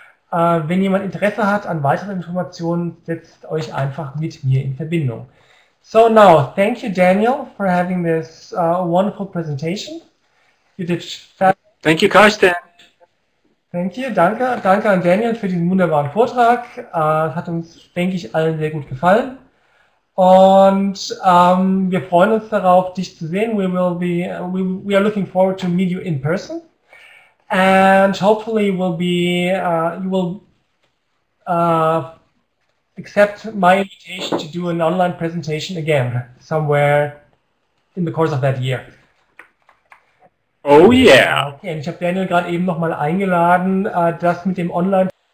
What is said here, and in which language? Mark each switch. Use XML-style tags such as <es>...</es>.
<de>Wenn jemand Interesse hat an weiteren Informationen, setzt euch einfach mit mir in Verbindung.</de> <en>So now, thank you, Daniel, for having this wonderful presentation. You did fabulous. Thank you, Carsten. Thank you.</en> <de>Danke an Daniel für diesen wunderbaren Vortrag. Hat uns, denke ich, allen sehr gut gefallen. Und wir freuen uns darauf, dich zu sehen.</de> <en>We are looking forward to meet you in person. And hopefully you will accept my invitation to do an online presentation again somewhere in the course of that year. Oh yeah.</en> <de>Okay, und ich habe Daniel gerade eben nochmal eingeladen, das mit dem Online</de>